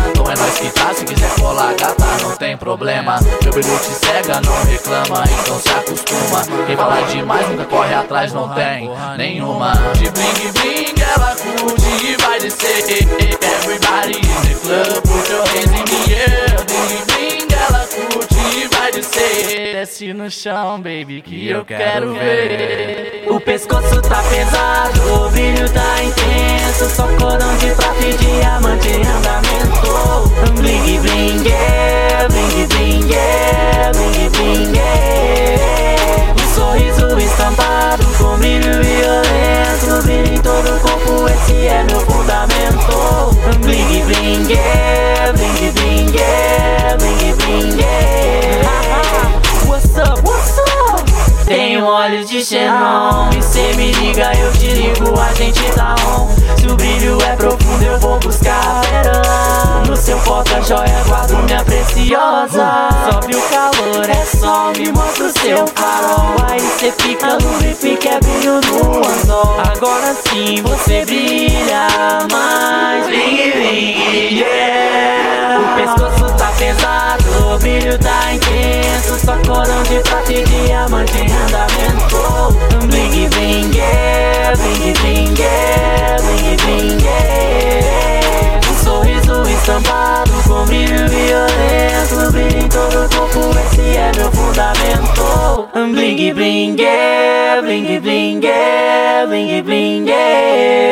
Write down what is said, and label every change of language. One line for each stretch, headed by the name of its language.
Portuguese: Então é nós que tá, se quiser colar gata, não tem problema. Meu brilho te cega, não reclama, então se acostuma. Quem fala demais nunca corre atrás, não tem nenhuma. De bling bling ela curte e vai descer.
English: Everybody in the club, put your hands in the air.
Portuguese: Bling bling ela curte e vai descer. Desce no chão, baby, que eu quero ver. O pescoço tá pesado, o brilho tá intenso. Só cordão de prata e diamante em andamento.
English: Bling bling, yeah, bling bling, yeah, bling bling, yeah.
Portuguese: Um sorriso estampado com brilho violento. Brilho em todo o corpo, esse é meu fundamento.
English: Bling bling, yeah, bling bling, yeah, bling bling, yeah. What's up?
Portuguese: Tenho olhos de xenon. E cê me liga, eu te ligo, a gente tá on. Se o brilho é profundo, eu vou buscar a verã. No seu porta-joia, guardo minha preciosa. Sobe o calor, é sol, me mostra o seu farol. Aí cê fica lubrifica, é brilho no anzol. Agora sim, você brilha mais.
English: Bling, bling, yeah.
Portuguese: O pescoço tá pesado, o brilho tá intenso. Só corão de prata e diamante. Andamento,
English: bling bling, yeah, bling bling, yeah, bling bling, yeah.
Portuguese: Um sorriso estampado com brilho violento. Brilho em todo o corpo, esse é meu fundamento.
English: Bling bling, yeah, bling bling, yeah, bling bling, yeah.